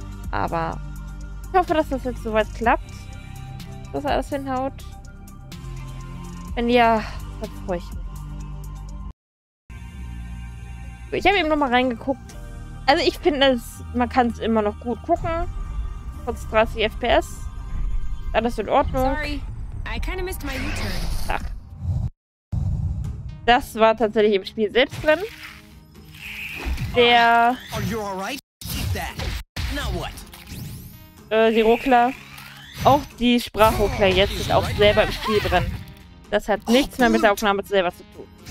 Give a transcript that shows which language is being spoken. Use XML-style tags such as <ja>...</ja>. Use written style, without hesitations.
<de>Aber ich hoffe, dass das jetzt soweit klappt, dass er alles hinhaut. Wenn ja, dann freue ich mich. Ich habe eben nochmal reingeguckt. Also ich finde, man kann es immer noch gut gucken. Trotz 30 FPS. Alles in Ordnung.</de> <en>Sorry, I kinda missed my U-turn.</en> <de>Ach. Das war tatsächlich im Spiel selbst drin.</de> <en>Der... Are you alright? Keep that. Now what?</en> <de>Die Ruckler. Auch die Sprachruckler jetzt sind auch selber im Spiel drin. Das hat nichts mehr mit der Aufnahme selber zu tun.</de>